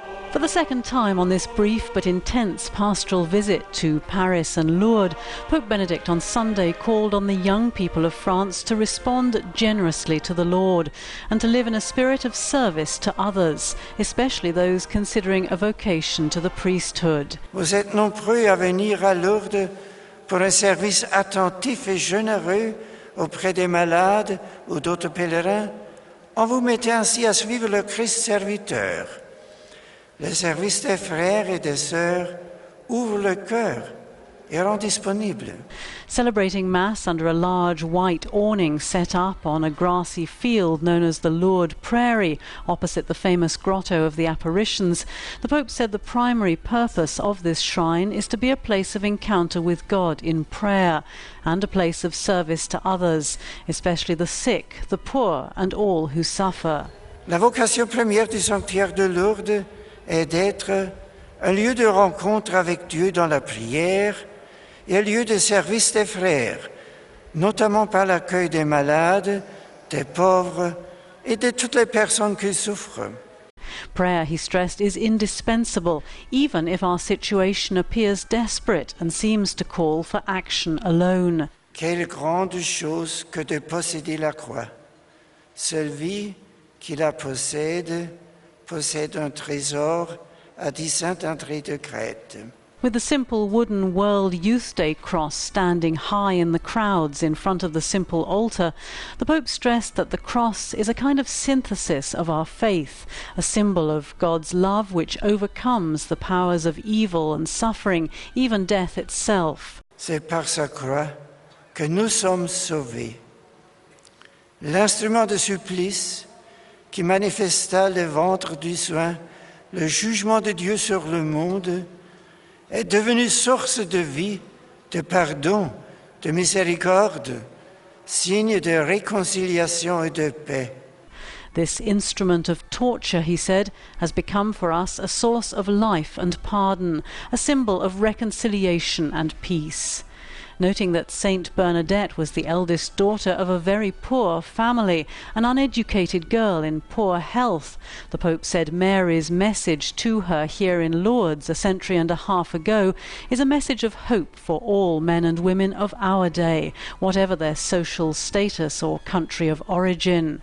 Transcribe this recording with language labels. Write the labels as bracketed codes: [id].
[en] For the second time on this brief but intense pastoral visit to Paris and Lourdes, Pope Benedict on Sunday called on the young people of France to respond generously to the Lord and to live in a spirit of service to others, especially those considering a vocation to the priesthood. [fr] Vous êtes nombreux à venir à Lourdes pour un service attentif et généreux auprès des malades ou d'autres pèlerins. On vous mettait ainsi à suivre le Christ serviteur. Le service des frères et des sœurs ouvre le cœur et rend disponible. [en] Celebrating Mass under a large white awning set up on a grassy field known as the Lourdes Prairie, opposite the famous Grotto of the Apparitions, the Pope said the primary purpose of this shrine is to be a place of encounter with God in prayer and a place of service to others, especially the sick, the poor, and all who suffer. [fr] La vocation première du sanctuaire de Lourdes est d'être un lieu de rencontre avec Dieu dans la prière et un lieu de service des frères, notamment par l'accueil des malades, des pauvres et de toutes les personnes qui souffrent. [en] Prayer, he stressed, is indispensable, even if our situation appears desperate and seems to call for action alone. [fr] Quelle grande chose que de posséder la croix. Celui qui la possède possède un trésor à dit Saint-André de Crète. [en] With the simple wooden World Youth Day cross standing high in the crowds in front of the simple altar, the Pope stressed that the cross is a kind of synthesis of our faith, a symbol of God's love which overcomes the powers of evil and suffering, even death itself. [fr] C'est par sa croix que nous sommes sauvés. L'instrument de supplice qui manifesta le ventre du soin, le jugement de Dieu sur le monde, est devenu source de vie, de pardon, de miséricorde, signe de réconciliation et de paix. [en] This instrument of torture, he said, has become for us a source of life and pardon, a symbol of reconciliation and peace. Noting that Saint Bernadette was the eldest daughter of a very poor family, an uneducated girl in poor health, the Pope said Mary's message to her here in Lourdes a century and a half ago is a message of hope for all men and women of our day, whatever their social status or country of origin.